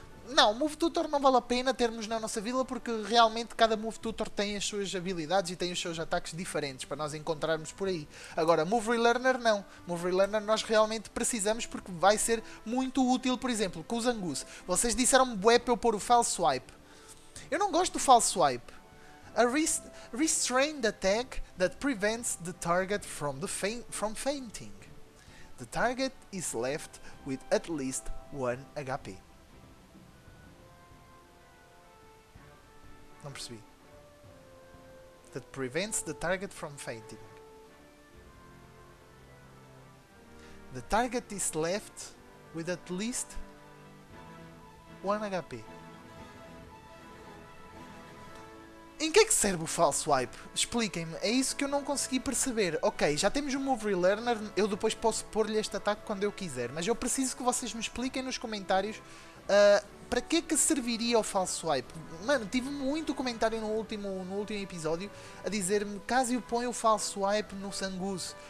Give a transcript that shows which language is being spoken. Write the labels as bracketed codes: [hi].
[pt] Não, Move Tutor não vale a pena termos na nossa vila porque realmente cada Move Tutor tem as suas habilidades e tem os seus ataques diferentes para nós encontrarmos por aí. Agora, Move Relearner não. Move Relearner nós realmente precisamos porque vai ser muito útil, por exemplo, com o Zangoose. Vocês disseram bué para eu pôr o False Swipe. Eu não gosto do False Swipe. [en] A restrained attack that prevents the target from fainting. The target is left with at least 1 HP. [pt] Não percebi. [en] That prevents the target from fainting. The target is left with at least 1 HP. [pt] Em que é que serve o False Swipe? Expliquem-me, é isso que eu não consegui perceber. Ok, já temos o Move Relearner, eu depois posso pôr-lhe este ataque quando eu quiser. Mas eu preciso que vocês me expliquem nos comentários para que é que serviria o False Swipe. Mano, tive muito comentário no último episódio a dizer-me, Casio, põe o False Swipe no Zangoose.